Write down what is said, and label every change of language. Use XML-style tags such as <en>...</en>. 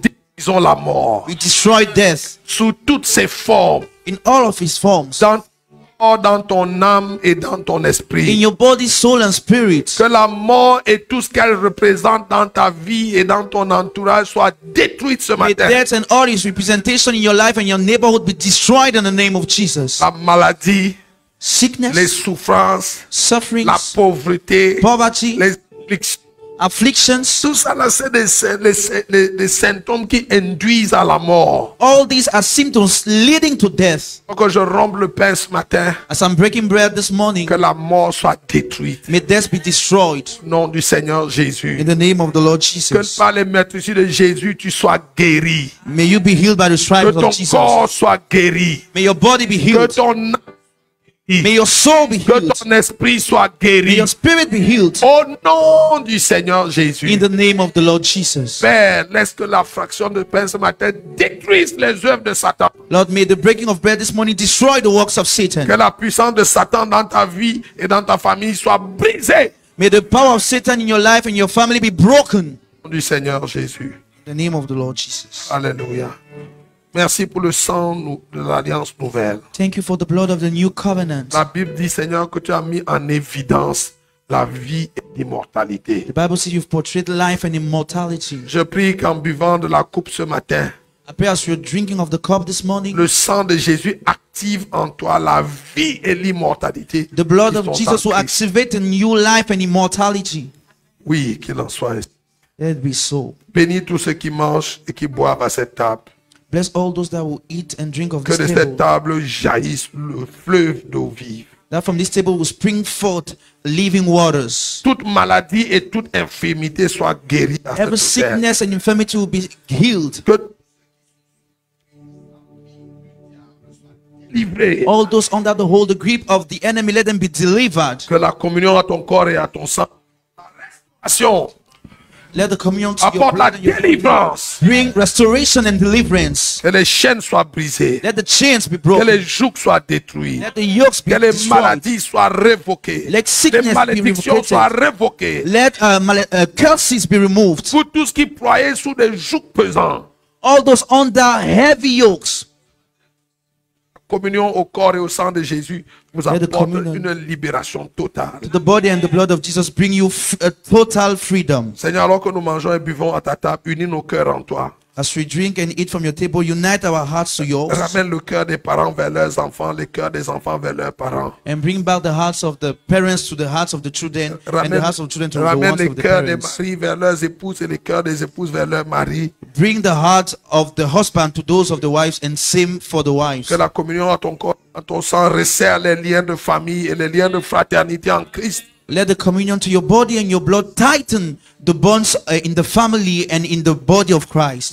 <fr>nous détruisons la mort.</fr> <en>We destroyed death.</en> <fr>Sous toutes ses formes.</fr> <en>In all of his forms.</en> <fr>Dans ton âme et dans ton esprit.</fr> <en>In your body, soul and spirit.</en> <fr>Que la mort et tout ce qu'elle représente dans ta vie et dans ton entourage soit détruite ce matin.</fr> <en>May death and all its representation in your life and your neighborhood be destroyed in the name of Jesus.</en> <fr>La maladie.</fr> <en>Sickness,</en> <fr>les souffrances,</fr> <en>sufferings,</en> <fr>la pauvreté,</fr> <en>poverty,</en> <fr>les afflictions, tout ça là, c'est des symptômes qui induisent à la mort.</fr> <en>All these are symptoms leading to death.</en> <fr>Donc je rompe le pain ce matin.</fr> <en>As I'm breaking bread this morning,</en> <fr>que la mort soit détruite.</fr> <en>May death be destroyed.</en> <fr>Au nom du Seigneur Jésus.</fr> <en>In the name of the Lord Jesus.</en> <fr>Que par les maîtrises de Jésus tu sois guéri.</fr> <en>May you be healed by the stripes of Jesus.</en> <fr>Que ton corps soit guéri.</fr> <en>May your body be healed.</en> <fr>Que ton</fr> <en>May your soul be healed.</en> <fr>Que ton esprit soit guéri.</fr> <en>May your spirit be healed.</en> <fr>Au nom du Seigneur Jésus.</fr> <en>In the name of the Lord Jesus.</en> <fr>Père, laisse que la fraction de pain ce matin détruise les œuvres de Satan.</fr> <en>Lord, may the breaking of bread this morning destroy the works of Satan.</en> <fr>Que la puissance de Satan dans ta vie et dans ta famille soit brisée.</fr> <en>May the power of Satan in your life and your family be broken.</en> <fr>Au nom du Seigneur Jésus.</fr> <en>In the name of the Lord Jesus.</en> <fr>Alléluia. Merci pour le sang de l'alliance nouvelle.</fr> <en>Thank you for the blood of the new covenant.</en> <fr>La Bible dit, Seigneur, que tu as mis en évidence la vie et l'immortalité.</fr> <en>The Bible says you've portrayed life and immortality.</en> <fr>Je prie qu'en buvant de la coupe ce matin,</fr> <en>I pray as you're drinking of the cup this morning,</en> <fr>le sang de Jésus active en toi la vie et l'immortalité.</fr> <en>The blood of Jesus will activate a new life and immortality.</en> <fr>Oui, qu'il en soit ainsi.</fr> <en>Let it be so.</en> <fr>Bénis tous ceux qui mangent et qui boivent à cette table.</fr> <en>Bless all those that will eat and drink of</en> <fr>que</fr> <en>this table.</en> <fr>Que de cette table jaillisse le fleuve d'eau vive.</fr> <en>That from this table will spring forth living waters.</en> <fr>Toute maladie et toute infirmité soit guérie à cette</fr> <en>table. Every sickness and infirmity will be healed.</en> <fr>Que libérée.</fr> <en>All those under the hold the grip of the enemy, let them be delivered.</en> <fr>Que la communion à ton corps et à ton sang. Restauration.</fr> <en>Let the communion to your blood and your deliverance. Bring restoration and deliverance.</en> <fr>Que les chaînes soient brisées.</fr> <en>Let the chains be broken.</en> <fr>Que les jougs soient détruits.</fr> <en>Let the yokes be</en> <fr>que</fr> <en>destroyed.</en> <fr>Que les maladies soient révoquées.</fr> <en>Let sickness</en> <fr>les malédictions</fr> <en>be</en> <fr>soient révoquées.</fr> <en>Let curses be removed.</en> <fr>Pour tous qui ployaient sous des jougs pesants.</fr> <en>All those under heavy yokes.</en> <fr>Communion au corps et au sang de Jésus vous apporte une libération totale.</fr> <en>The body and the blood of Jesus bring you a total freedom.</en> <fr>Seigneur, alors que nous mangeons et buvons à ta table, unis nos cœurs en toi.</fr> <en>As we drink and eat from your table, unite our hearts to yours.</en> <fr>Ramène le cœur des parents vers leurs enfants, le cœur des enfants vers leurs parents.</fr> <en>And bring back the hearts of the parents to the hearts of the children</en> <fr>ramène,</fr> <en>and the hearts of children to the ones of the</en> <fr>le cœur des maris vers leurs épouses et le cœur des épouses vers leurs maris.</fr> <en>Bring the hearts of the husband to those of the wives and same for the wives.</en> <fr>Que la communion à ton corps, à ton sang resserre les liens de famille et les liens de fraternité en Christ.</fr> <en>Let the communion to your body and your blood tighten the bonds in the family and in the body of Christ.</en>